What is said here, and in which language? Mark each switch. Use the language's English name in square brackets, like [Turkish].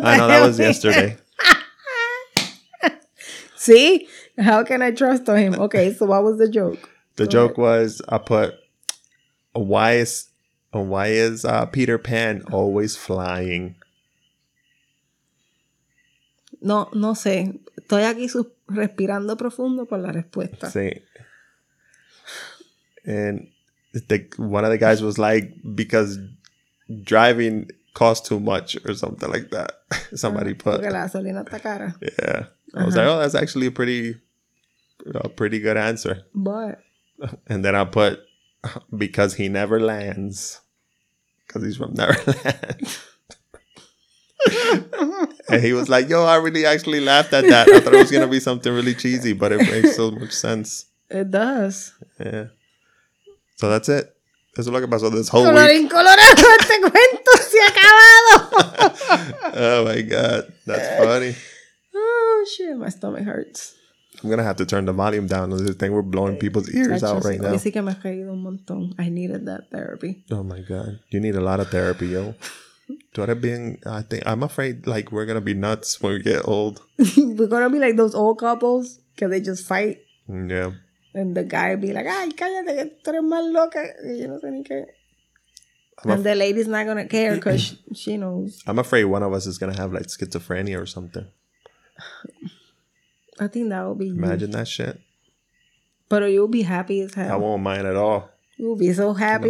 [English] that was. I know, that was yesterday. See, how can I trust on him? Okay, so what was the joke? The joke was, I put, why is Peter Pan always flying? [Spanish] No sé. Estoy aquí respirando profundo por la respuesta. Sí. [English] And one of the guys was like, because driving costs too much or something like that. Somebody put. [Spanish] Porque la gasolina está cara. [English] Yeah. I was like, oh, that's actually a pretty good answer. But. And then I put, because he never lands. Because he's from Neverland. And he was like, yo, I really actually laughed at that. I thought it was going to be something really cheesy, but it makes so much sense. It does. Yeah. So that's it. [Spanish] Eso es lo que pasó [English] this whole week. [Spanish] Colorín colorado, este cuento se ha acabado. [English] Oh my God. That's funny. Oh shit, my stomach hurts. I'm going to have to turn the volume down. This thing, we're blowing people's ears out right now. [Spanish] Sí que me ha caído un montón. [English] I needed that therapy. Oh my God. You need a lot of therapy, yo. [Spanish] Tú eres bien, [English] I think, I'm afraid like we're going to be nuts when we get old. We're going to be like those old couples because they just fight. Yeah. And the guy be like, [Spanish] ay, cállate, que tú eres más loca. [English] You know, and the lady's not going to care because she knows. I'm afraid one of us is going to have like schizophrenia or something. I think that would be Imagine you. That shit. But you'll be happy as hell. I won't mind at all. You'll be so happy.